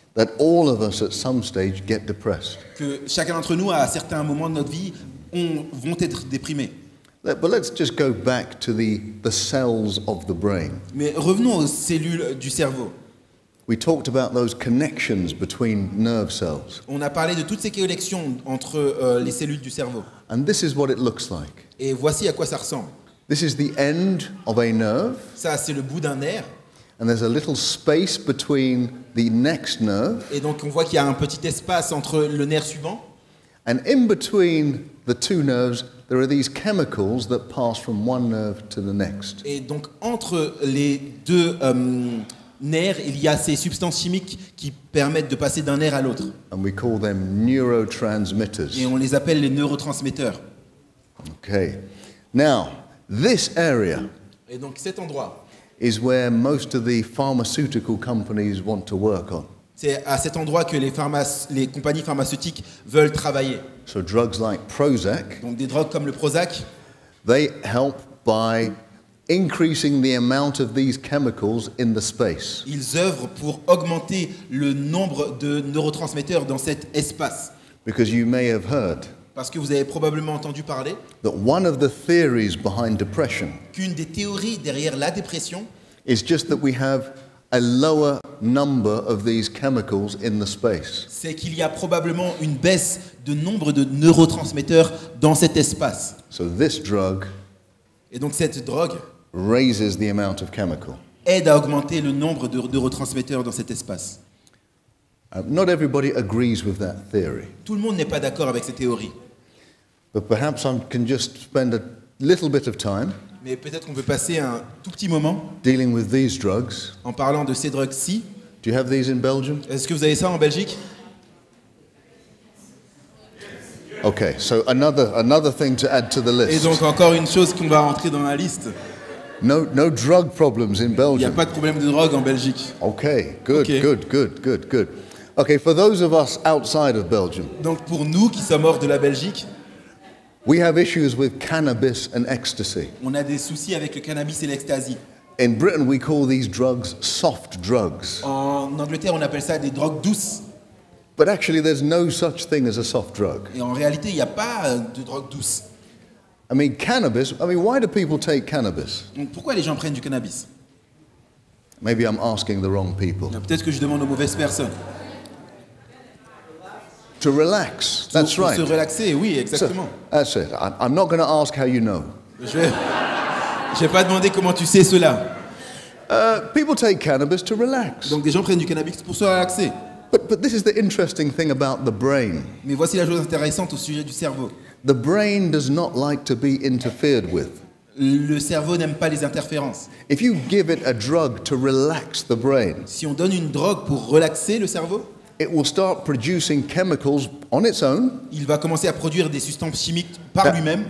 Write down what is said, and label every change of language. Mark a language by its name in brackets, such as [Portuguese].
[English] That all of us at some stage get depressed. [French] Que chacun d'entre nous à certains moments de notre vie vont être déprimés. [English] But let's just go back to the cells of the brain. [French] Mais revenons aux cellules du cerveau. [English] We talked about those connections between nerve cells. [French] On a parlé de toutes ces connexions entre les cellules du cerveau. [English] And this is what it looks like. [French] Et voici à quoi ça ressemble. [English] This is the end of a nerve. [French] Ça, c'est le bout d'un nerf. [English] And there's a little space between the next nerve. [French] Et donc on voit qu'il y a un petit espace entre le nerf suivant. [English] And in between the two nerves, there are these chemicals that pass from one nerve to the next. [French] Et donc entre les deux nerfs, il y a ces substances chimiques qui permettent de passer d'un nerf à l'autre. [English] And we call them neurotransmitters. [French] Et on les appelle les neurotransmetteurs. [English] Okay. Now, this area. [French] Et donc cet endroit [English] is where most of the pharmaceutical companies want to work on. [French] C'est à cet endroit que les compagnies pharmaceutiques veulent travailler. [English] So drugs like Prozac. [French] Donc des drogues comme le Prozac. [English] They help by increasing the amount of these chemicals in the space. [French] Ils œuvrent pour augmenter le nombre de neurotransmetteurs dans cet espace. [English] Because you may have heard. [French] Parce que vous avez probablement entendu parler. [English] That one of the theories behind depression. [French] Qu'une des théories derrière la dépression. [English] Is just that we have a lower number of these chemicals in the space. [French] C'est qu'il y a probablement une baisse de nombre de neurotransmetteurs dans cet espace. [English] So this drug. [French] Et donc cette drogue. [English] Raises the amount of chemical. [French] Aide à augmenter le nombre de neurotransmetteurs dans cet espace. [English] Not everybody agrees with that theory. [French] Tout le monde n'est pas d'accord avec cette théorie. [English] But perhaps I can just spend a little bit of time. [French] Mais peut-être qu'on peut passer un tout petit moment. [English] Dealing with these drugs. [French] En parlant de ces drogues-ci. [English] Do you have these in Belgium? [French] Est-ce que vous avez ça en Belgique? [English] Okay, so another thing to add to the list. [French] Et donc encore une chose qu'on va rentrer dans la liste. [English] No drug problems in Belgium. [French] Il n'y a pas de problème de drogue en Belgique. [English] Okay, good, okay. good. Okay, for those of us outside of Belgium. [French] Donc pour nous qui sommes hors de la Belgique. [English] We have issues with cannabis and ecstasy. [French] On a des soucis avec le cannabis et l'ecstasy. [English] In Britain, we call these drugs soft drugs. [French] En Angleterre, on appelle ça des drogues douces. [English] But actually, there's no such thing as a soft drug. [French] Et en réalité, il n'y a pas de drogue douce. [English] I mean, cannabis, I mean, why do people take cannabis? [French] Donc pourquoi les gens prennent du cannabis? [English] Maybe I'm asking the wrong people. [French] Peut-être que je demande aux mauvaises personnes. [English] To relax, that's [French] pour [English] right. [French] Pour se relaxer, oui, exactement. [English] So, that's it. I'm not going to ask how you know. [French] Je vais pas demander comment tu sais cela. [English] People take cannabis to relax. [French] Donc des gens prennent du cannabis pour se relaxer. [English] But this is the interesting thing about the brain. [French] Mais voici la chose intéressante au sujet du cerveau. [English] The brain does not like to be interfered with. [French] Le cerveau n'aime pas les interférences. [English] If you give it a drug to relax the brain, [French] si on donne une drogue pour relaxer le cerveau, [English] it will start producing chemicals on its own. [French] Il va commencer à produire des substances chimiques par lui-même.